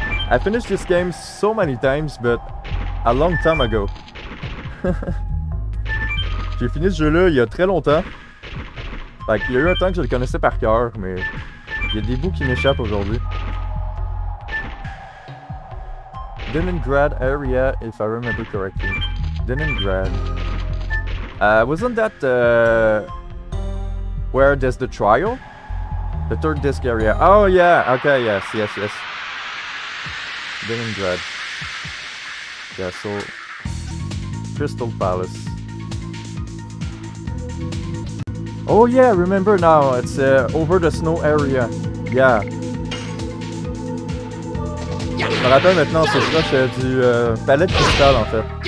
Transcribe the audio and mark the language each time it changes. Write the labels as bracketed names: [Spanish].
[English] I finished this game so many times, but a long time ago. [French] j'ai fini ce jeu-là il y a très longtemps. Fait qu'il y a eu un temps que je le connaissais par cœur, mais il y a des bouts qui m'échappent aujourd'hui. [English] Leningrad area, if I remember correctly. Leningrad. Wasn't that where there's the trial? The third disc area. Oh yeah, okay, yes, yes, yes. Leningrad. Yeah, so Crystal Palace. Oh yeah, remember now, it's over the snow area. Yeah. [French] Je me rappelle maintenant, c'est ça, c'est du palais de cristal en fait.